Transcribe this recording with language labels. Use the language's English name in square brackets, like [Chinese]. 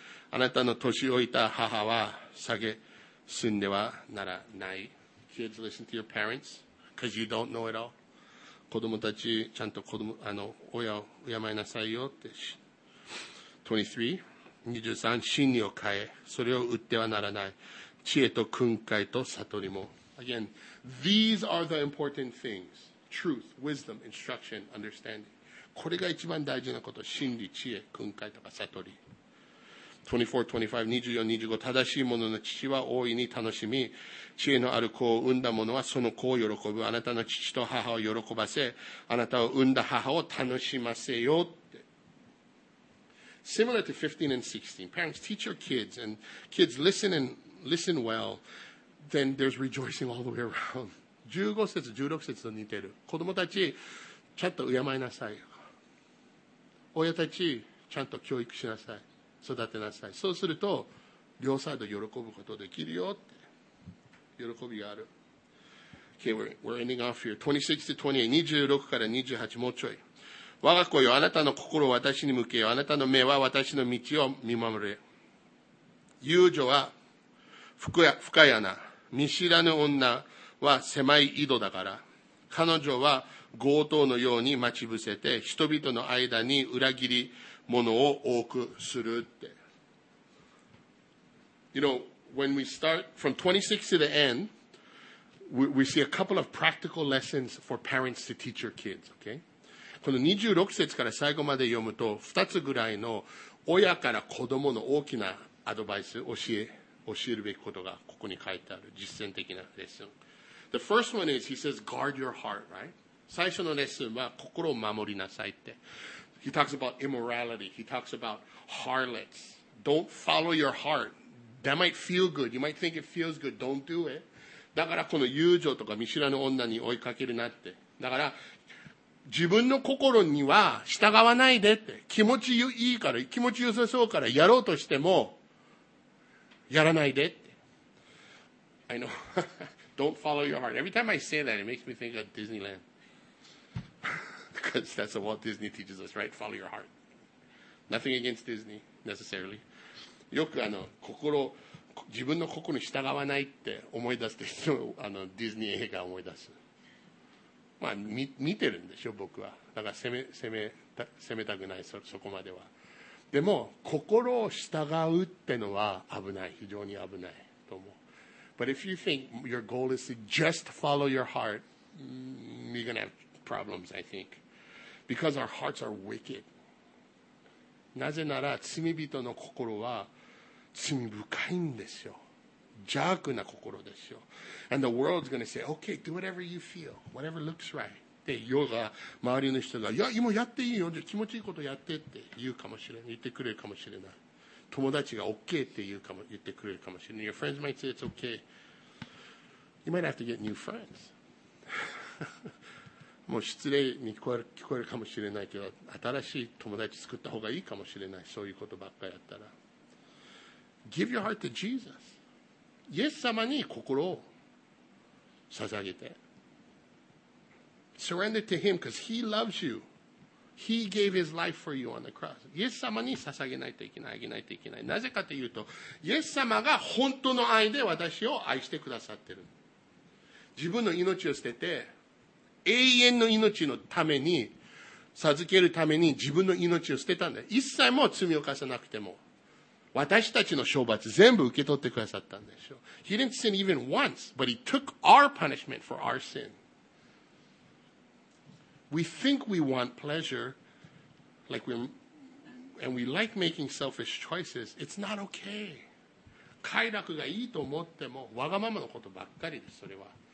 [Japanese] あなたの年老いた母は下げ、住んではならない。 [English] Kids, listen to your parents, because you don't know it all. [Japanese] 子供たち、ちゃんと子供、親を敬いなさいよって。 23-23, 真理を変え、それを売ってはならない。知恵と訓戒と悟りも。 [English] Again, these are the important things. truth, wisdom, instruction, understanding. [Japanese] これが一番大事なこと。真理、知恵、訓戒とか悟り。 24、25、24、25、正しい者の父は大いに楽しみ、知恵のある子を産んだ者はその子を喜ぶ。あなたの父と母を喜ばせ、あなたを産んだ母を楽しませよって。 [English] Similar to 15 and 16, parents teach your kids, and kids listen and listen well, then there's rejoicing all the way around. [Japanese] 15節、16節と似てる。子供たち、ちゃんと敬いなさい。親たち、ちゃんと教育しなさい。育てなさい。そうすると両サイド喜ぶことできるよって喜びがある。 [English] Okay, we're ending off here. 26-28、 [Japanese] もうちょい。我が子よ、あなたの心を私に向けよ、あなたの目は私の道を見守れ。遊女は深い穴、見知らぬ女は狭い井戸だから、彼女は強盗のように待ち伏せて人々の間に裏切りものを多くするって。 [English] You know, when we start from 26 to the end, we see a couple of practical lessons for parents to teach your kids, okay? [Japanese] この26節から最後まで読むと、2つぐらいの親から子供の大きなアドバイス、教えるべきことがここに書いてある、実践的なレッスン。 [English] The first one is, he says, guard your heart, right? [Japanese] 最初のレッスンは心を守りなさいって。 [English] He talks about immorality. He talks about harlots. Don't follow your heart. That might feel good. You might think it feels good. Don't do it. [Japanese] だからこの友情とか見知らぬ女に追いかけるなって。だから自分の心には従わないでって。気持ちいいから、気持ち良さそうからやろうとしてもやらないでって。 [English] I know. Don't follow your heart. Every time I say that, it makes me think of Disneyland. Because that's what Disney teaches us, right? Follow your heart. Nothing against Disney, necessarily. [Japanese] よく心、自分の心に従わないって思い出すって人、ディズニー映画思い出す。まあ、見てるんでしょ、僕は。だから攻めたくない、そこまでは。でも、心を従うってのは危ない。非常に危ないと思う。 [English] But if you think your goal is to just follow your heart, you're gonna have problems, I think. Because our hearts are wicked. [Japanese] なぜなら罪人の心は罪深いんですよ。邪悪な心ですよ。 [English] And the world's going to say, okay, do whatever you feel, whatever looks right. [Japanese] で、世が、周りの人が、いや、今やっていいよ、気持ちいいことやってって言うかもしれない。言ってくれるかもしれない。友達が OK って言うかも、言ってくれるかもしれない。 [English] Your friends might say it's okay. You might have to get new friends. [Japanese] もう失礼に聞こえるかもしれないけど、新しい友達作った方がいいかもしれない。そういうことばっかりやったら。 [English] Give your heart to Jesus. [Japanese] イエス様に心を捧げて。 [English] Surrender to him because he loves you. He gave his life for you on the cross. [Japanese] イエス様に捧げないといけない、あげないといけない。なぜかというと、イエス様が本当の愛で私を愛してくださってる。自分の命を捨てて、永遠の命のために、授けるために自分の命を捨てたんだよ。一切も罪を犯さなくても。私たちの処罰全部受け取ってくださったんでしょう。 [English] He didn't sin even once, but he took our punishment for our sin. We think we want pleasure, and we like making selfish choices. It's not okay. [Japanese] 快楽がいいと思っても、わがままのことばっかりです、それは。